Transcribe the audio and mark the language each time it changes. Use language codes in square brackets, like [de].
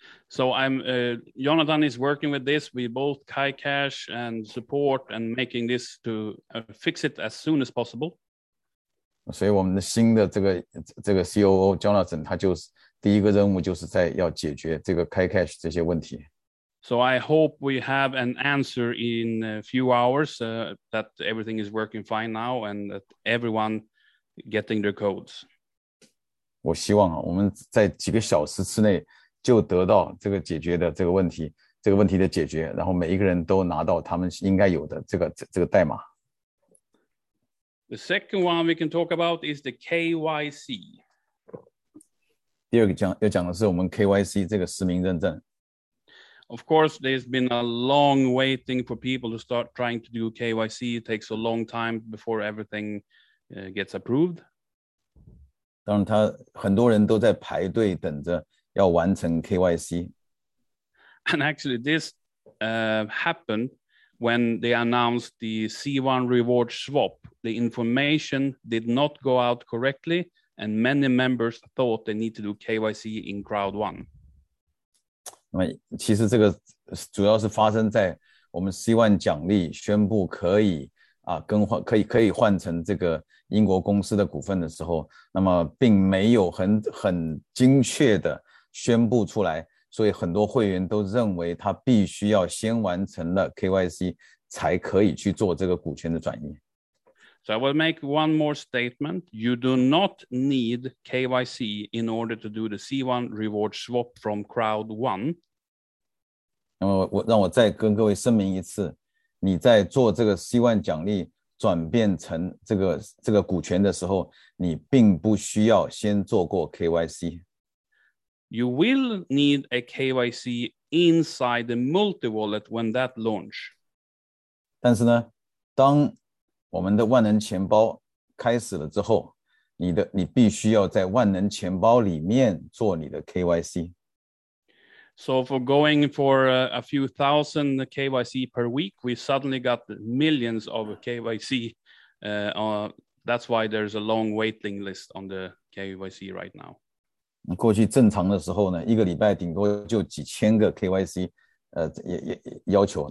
[en] So I'm Jonathan is working with this. We both Kai Cash and support and making this to fix it as soon as possible. [zh] 所以我们的新的这个 COO Jonathan 他就是第一个任务就是在要解决这个 Kai Cash 这些问题。 [en] So I hope we have an answer in a few hours that everything is working fine now and that everyone getting their codes. [zh] 我希望我们在几个小时之内。就得到这个解决的这个问题，这个问题的解决，然后每一个人都拿到他们应该有的这个代码。 [en] The second one we can talk about is the KYC. [zh] 第二个要讲的是我们 KYC 这个实名认证。 [en] Of course, there's been a long waiting for people to start trying to do KYC. It takes a long time before everything gets approved. [zh] 当然，他很多人都在排队等着。要完成 KYC. [en] And actually, this happened when they announced the C1 reward swap. The information did not go out correctly, and many members thought they need to do KYC in Crowd1. [zh] 其实这个主要是发生在我们 C1 奖励宣布可以更换可以换成这个英国公司的股份的时候，那么并没有很精确的。宣布出来，所以很多会员都认为他必须要先完成了 KYC 才可以去做这个股权的转移。 [en] So I will make one more statement. You do not need KYC in order to do the C1 reward swap from Crowd1. [zh] 那么我让我再跟各位声明一次，你在做这个 C1 奖励转变成这个股权的时候，你并不需要先做过 KYC。 [en] You will need a KYC inside the multi-wallet when that launch. [zh] 但是呢，当我们的万能钱包开始了之后，你必须要在万能钱包里面做你的 KYC. [en] So for going for a few thousand KYC per week, we suddenly got millions of KYC. That's why there's a long waiting list on the KYC right now. [zh] 过去正常的时候呢，一个礼拜顶多就几千个 KYC， 也要求。